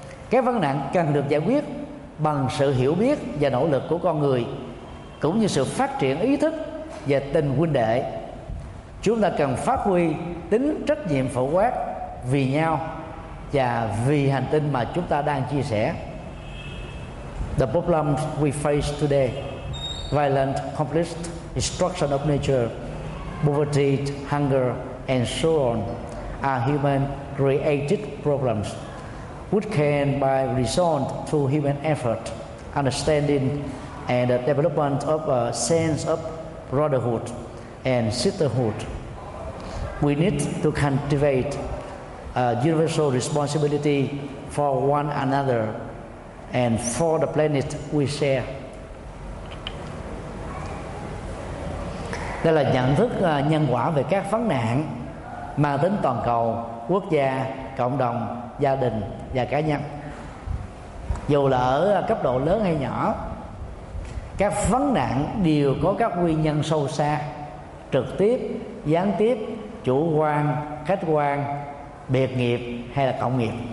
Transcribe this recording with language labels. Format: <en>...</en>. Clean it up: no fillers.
<vi>Các vấn nạn cần được giải quyết bằng sự hiểu biết và nỗ lực của con người, cũng như sự phát triển ý thức và tình huynh đệ. Chúng ta cần phát huy tính trách nhiệm phổ quát vì nhau và vì hành tinh mà chúng ta đang chia sẻ.</vi> <en>The problem we face today, violent conflict, destruction of nature, poverty, hunger, and so on, are human created problems, which can by result to human effort, understanding, and the development of a sense of brotherhood and sisterhood. We need to cultivate a universal responsibility for one another and for the planet we share.</en> <vi>Đây là nhận thức nhân quả về các vấn nạn mang tính toàn cầu, quốc gia, cộng đồng, gia đình và cá nhân. Dù là ở cấp độ lớn hay nhỏ, các vấn nạn đều có các nguyên nhân sâu xa, trực tiếp, gián tiếp, chủ quan, khách quan, biệt nghiệp hay là cộng nghiệp.</vi>